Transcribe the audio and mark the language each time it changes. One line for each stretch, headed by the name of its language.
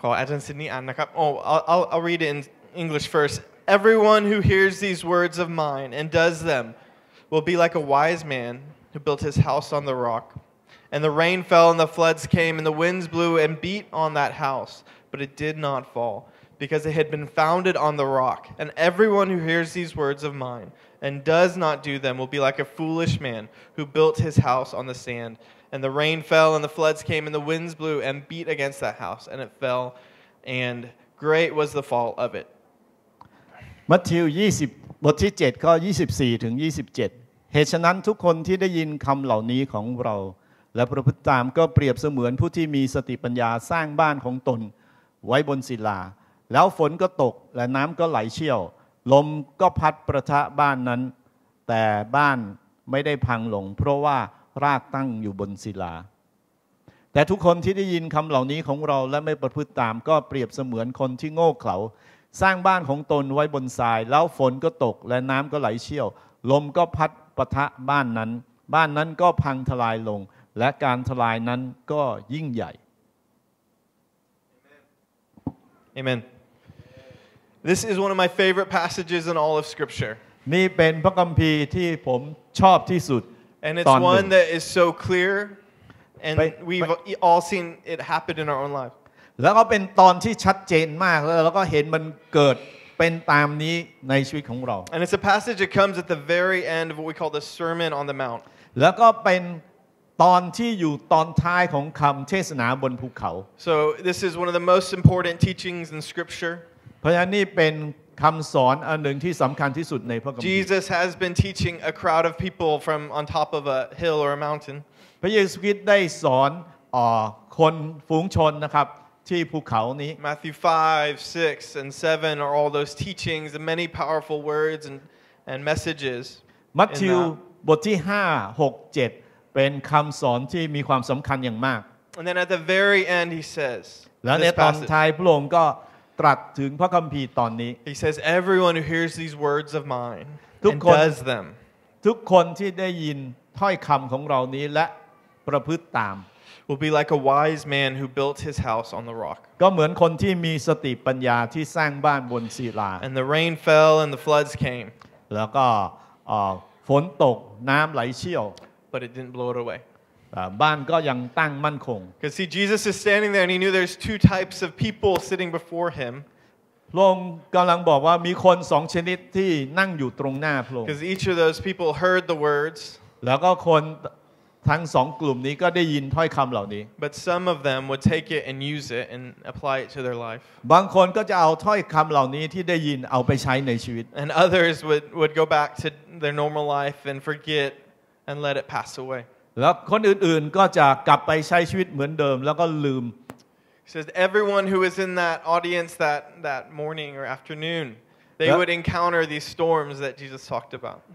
Thai: ขออาจารย์ซินนี่อ่านนะครับ
English: Oh, I'll read it inEnglish first. Everyone who hears these words of mine and does them will be like a wise man who built his house on the rock. And the rain fell and the floods came and the winds blew and beat on that house, but it did not fall because it had been founded on the rock. And everyone who hears these words of mine and does not do them will be like a foolish man who built his house on the sand. And the rain fell and the floods came and the winds blew and beat against that house and it fell andGreat was the fall of it.
Thai: Matthew 20, บทที่ 7, ข้อ 24 ถึง 27. เหตุฉะนั้นทุกคนที่ได้ยินคำเหล่านี้ของเราและประพฤติตามก็เปรียบเสมือนผู้ที่มีสติปัญญาสร้างบ้านของตนไว้บนศิลาแล้วฝนก็ตกและน้ำก็ไหลเชี่ยวลมก็พัดประทะบ้านนั้นแต่บ้านไม่ได้พังลงเพราะว่ารากตั้งอยู่บนศิลา แต่ทุกคนที่ได้ยินคำเหล่านี้ของเราและไม่ประพฤติตามก็เปรียบเสมือนคนที่โง่เขลาสร้างบ้านของตนไว้บนทรายแล้วฝนก็ตกและน้ำก็ไหลเชี่ยวลมก็พัดปะทะบ้านนั้นบ้านนั้นก็พังทลายลงและการทลายนั้นก็ยิ่งใหญ่
English: Amen This is one of my favorite passages in all of Scripture
Thai: นี่เป็นพระคัมภีร์ที่ผมชอบที่สุด
English: And it's one that is so clearAnd we've all seen it happen in our own life.
Thai: แล้วก็เป็นตอนที่ชัดเจนมากแล้วก็เห็นมันเกิดเป็นตามนี้ในชีวิตของเรา
English: And it's a passage that comes at the very end of what we call the Sermon on the Mount.
Thai: แล้วก็เป็นตอนที่อยู่ตอนท้ายของคำเทศนาบนภูเขา
English: So this is one of the most important teachings in Scripture.
Thai: เพราะฉะนั้นนี่เป็นคำสอนอันหนึ่งที่สำคัญที่สุดในพระคัมภีร์
English: Jesus has been teaching a crowd of people from on top of a hill or a mountain.
Thai: พระเยซูคริสต์ได้สอนคนฝูงชนนะครับที่ภูเขานี้
English: Matthew 5 6 and 7 are all those teachings and many powerful words and messages
Thai: Matthew บทที่5 6 7เป็นคำสอนที่มีความสำคัญอย่างมาก
English: And then at the very end he says
Thai: แล้วในตอนท้ายพระองค์ก็ตรัสถึงพระคัมภีร์ตอนนี้
English: He says everyone who hears these words of mine and does them
Thai: ทุกคนที่ได้ยินถ้อยคำของเรานี้และประพฤติตาม
English: will be like a wise man who built his house on the rock
Thai: ก็เหมือนคนที่มีสติปัญญาที่สร้างบ้านบนศิลา
English: and the rain fell and the floods came
Thai: แล้วก็ฝนตกน้ำไหลเชี่ยว
English: but it didn't blow it away
Thai: บ้านก็ยังตั้งมั่นคง
English: because see Jesus is standing there and he knew there's two types of people sitting before him
Thai: พระองค์กำลังบอกว่ามีคนสองชนิดที่นั่งอยู่ตรงหน้าพระองค์
English: because each of those people heard the words
Thai: แล้วก็คนทั้งสองกลุ่มนี้ก็ได้ยินถ้อยคำเหล่านี้
English: But some of them would take it and use it and apply it to their life.
Thai: บางคนก็จะเอาถ้อยคำเหล่านี้ที่ได้ยินเอาไปใช้ในชีวิต
English: And others would go back to their normal life and forget and let it pass away.
Thai: แล้วคนอื่นๆก็จะกลับไปใช้ชีวิตเหมือนเดิมแล้วก็ลืม
English: says everyone who was in that audience that morning or afternoon they would encounter these storms that Jesus talked about